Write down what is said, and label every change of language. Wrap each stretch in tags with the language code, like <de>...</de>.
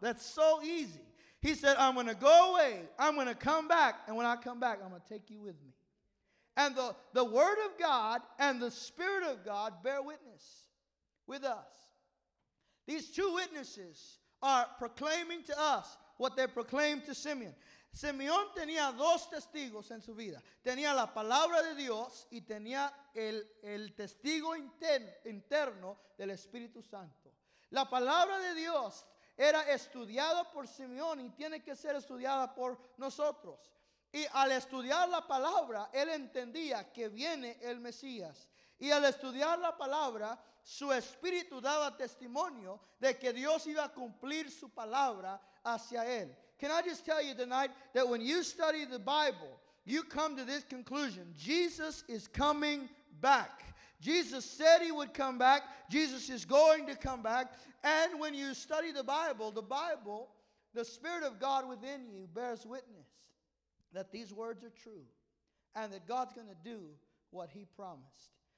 <en>That's so easy. He said, I'm going to go away, I'm going to come back, and when I come back, I'm going to take you with me. And the Word of God and the Spirit of God bear witness with us. These two witnesses are proclaiming to us what they proclaimed to Simeon.</en> <es>Simeon tenía dos testigos en su vida. Tenía la palabra de Dios y tenía el testigo interno del Espíritu Santo. La palabra de Dios era estudiada por Simeón y tiene que ser estudiada por nosotros. Y al estudiar la palabra, él entendía que viene el Mesías. Y al estudiar la palabra, su espíritu daba testimonio de que Dios iba a cumplir su palabra hacia él.</es> <en>Can I just tell you tonight that when you study the Bible, you come to this conclusion, Jesus is coming back. Jesus said he would come back. Jesus is going to come back. And when you study the Bible, the Spirit of God within you bears witness that these words are true, and that God's going to do what he promised.</en>